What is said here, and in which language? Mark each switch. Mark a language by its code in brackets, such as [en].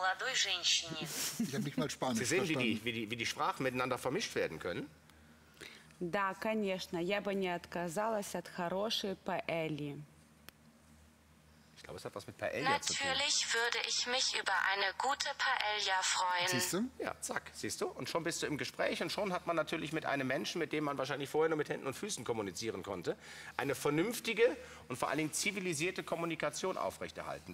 [de] Ich habe nicht mal Spanisch verstanden. Sie sehen, wie die Sprachen miteinander vermischt werden können? [ru] Да, конечно. Я бы не отказалась от хорошей паэльи. [de] Ich glaube, es hat was mit Paella Natürlich zu tun. Natürlich würde ich mich über eine gute Paella freuen. Siehst du? Ja, zack, siehst du? Und schon bist du im Gespräch und schon hat man natürlich mit einem Menschen, mit dem man wahrscheinlich vorher nur mit Händen und Füßen kommunizieren konnte, eine vernünftige und vor allen Dingen zivilisierte Kommunikation aufrechterhalten.